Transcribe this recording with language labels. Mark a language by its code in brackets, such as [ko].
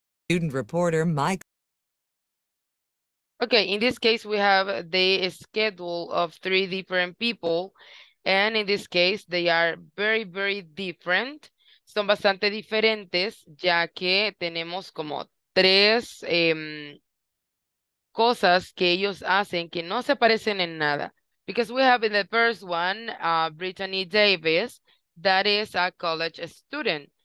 [en] Student reporter Mike. Okay, in this case, we have the schedule of three different people. And in this case, they are very, very different. [es] Son bastante diferentes, ya que tenemos como tres cosas que ellos hacen que no se parecen en nada. [en] Because we have in the first one, Brittany Davis, that is a college student.